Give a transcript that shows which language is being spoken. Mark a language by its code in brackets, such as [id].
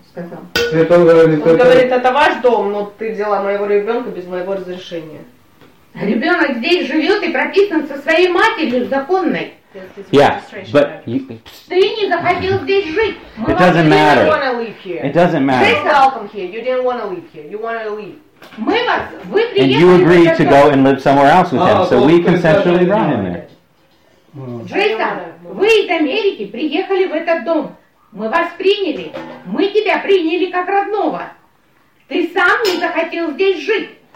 [ru] Он говорит, это ваш дом, но ты взяла моего ребенка без моего разрешения. Ребенок здесь живет и прописан со своей матерью законной. [en] Yeah, but you. Ты не захотел здесь жить. It doesn't matter. You didn't want to leave here. It doesn't matter. You're welcome here. You didn't want to leave here. You wanted to leave. [ru] Мы вас, вы приехали. [en] And you agreed to go and live somewhere else with him, so we consensually brought him there. [ru] Джейсон, вы из Америки приехали в этот дом. Мы вас приняли. Мы тебя приняли как родного. Ты сам не захотел здесь жить.